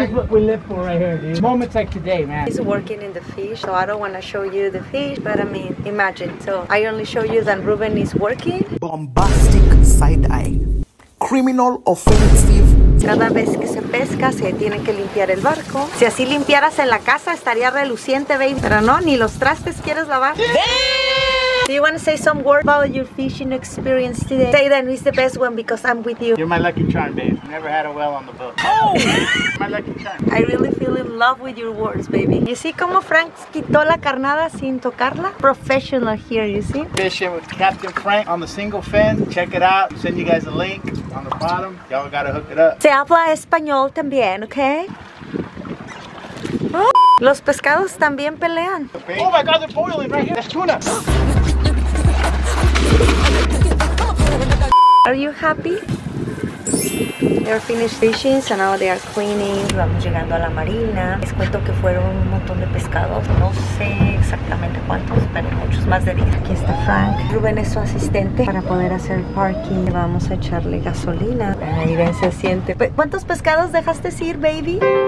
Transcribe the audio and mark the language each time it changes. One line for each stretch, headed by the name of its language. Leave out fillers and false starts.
English: We live for right here, dude. Moments like today, man. He's working in the fish, so I don't want to show you the fish, but I mean, imagine. So I only show you that Ruben is working. Bombastic side eye. Criminal offensive.
Spanish: Cada vez que se pesca se tiene que limpiar el barco. Si así limpiaras en la casa estaría reluciente, baby. Pero no, ni los trastes quieres lavar.
English: Do you want to say some words about your fishing experience today? Say then, it's the best one because I'm with you. You're my lucky charm, babe. Never had a whale on the boat. Oh! My lucky charm. I really feel in love with your words, baby. You see
Spanish: como Frank quitó la carnada sin tocarla?
English: Professional here, you see? Fishing with Captain Frank on the single fin. Check it out. Send you guys a link on the bottom. Y'all gotta hook it up.
Spanish: Se habla español también, okay? Oh. Los pescados también pelean.
English: Okay. Oh my God, they're boiling right here. That's tuna. Are you happy? They're finished fishing, so now they are cleaning.
Spanish: Vamos llegando a la marina. Les cuento que fueron un montón de pescados. No sé exactamente cuántos, pero muchos más de 10. Aquí está Frank. Ruben es su asistente para poder hacer el parking. Le vamos a echarle gasolina. Ahí ven, se siente. ¿Cuántos pescados dejaste ir, baby?